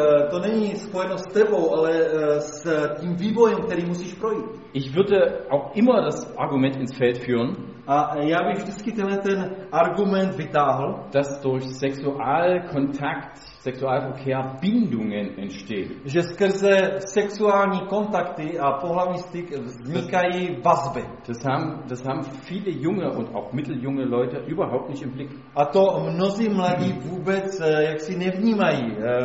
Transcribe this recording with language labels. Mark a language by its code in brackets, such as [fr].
[cs] To není spojeno s tebou, ale s tím vývojem, který musíš projít. [de] Ich würde auch immer das Argument ins Feld führen. [cs] A já bych vždycky tenhle ten argument vytáhl, [de] dass durch Sexualkontakt, Sexualverkehr Bindungen entstehen. [cs] Že skrze sexuální kontakty a pohlavní styk vznikají vazby. [de] Das haben viele junge und auch mitteljunge Leute überhaupt nicht im Blick. [cs] A to mnozí mladí vůbec jak si nevnímají.